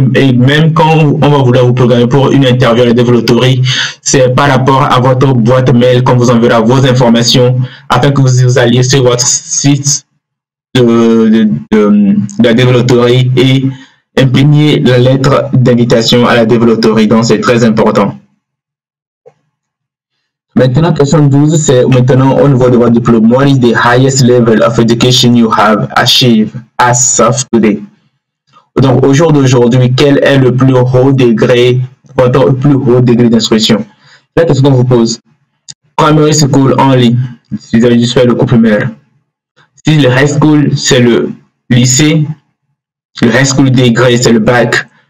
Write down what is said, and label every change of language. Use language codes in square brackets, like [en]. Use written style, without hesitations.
[fr] Et même quand on va vouloir vous programmer pour une interview à la développeurie, c'est par rapport à votre boîte mail qu'on vous enverra vos informations afin que vous alliez sur votre site de la développeurie et imprimiez la lettre d'invitation à la développeurie. Donc, c'est très important. Maintenant, question 12, c'est maintenant au niveau de votre diplôme. [en] What is the highest level of education you have achieved as of today? [fr] Donc, au jour d'aujourd'hui, quel est le plus haut degré, votre plus haut degré d'instruction? La question qu'on vous pose. Primary school en ligne, si vous avez juste fait le cours primaire. Si le high school, c'est le lycée, le high school degré, c'est le bac.